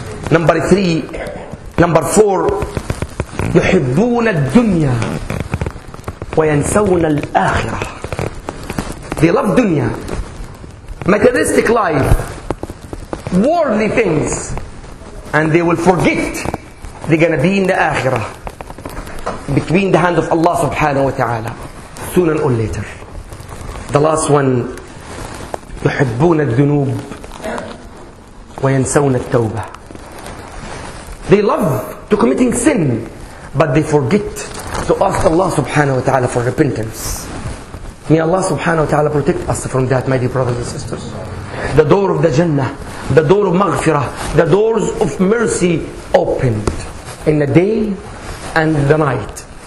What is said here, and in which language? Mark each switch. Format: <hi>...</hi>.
<en>Number three, number four,</en> <ar>يحبون الدنيا وينسون الآخرة.</ar> <en>They love dunya, materialistic life, worldly things, and they will forget they're gonna be in the akhirah, between the hand of Allah subhanahu wa ta'ala, sooner or later. The last one,</en> <ar>يحبون الذنوب وينسون التوبة.</ar> <en>They love to committing sin, but they forget to ask Allah subhanahu wa ta'ala for repentance. May Allah subhanahu wa ta'ala protect us from that, my dear brothers and sisters. The door of the Jannah, the door of Maghfirah, the doors of mercy opened in the day and the night.</en>